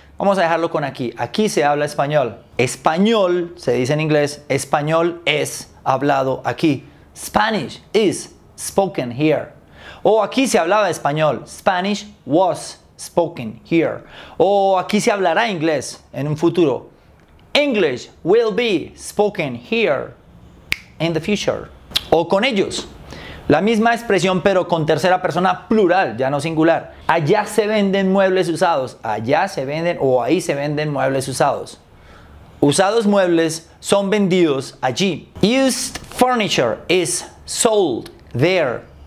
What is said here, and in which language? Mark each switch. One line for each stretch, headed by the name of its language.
Spanish: Vamos a dejarlo con aquí. Aquí se habla español. Español se dice en inglés. Español es hablado aquí.
English: Spanish is spoken here.
Spanish: O aquí se hablaba español.
English: Spanish was spoken here.
Spanish: O aquí se hablará inglés en un futuro.
English: English will be spoken here in the future.
Spanish: O con ellos. La misma expresión, pero con tercera persona plural, ya no singular. Allá se venden muebles usados. Allá se venden o ahí se venden muebles usados. Usados muebles son vendidos allí.
English: Used furniture is sold there.